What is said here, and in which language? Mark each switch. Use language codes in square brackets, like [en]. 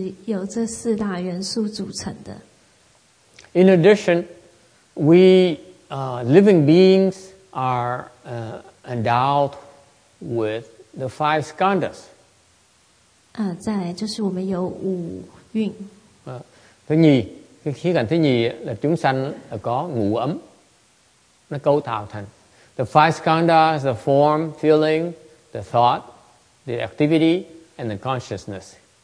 [zh] 所以我们是由这四大元素组成的. [en] In addition, we living beings are endowed with the five skandhas. [zh] 再来就是我们有五蕴. [vi] Thứ nhì, cái khí cảnh thứ nhì là chúng sanh là có ngũ ấm, nó cấu tạo thành. [en] The five skandhas, the form, feeling, the thought, the activity, and the consciousness.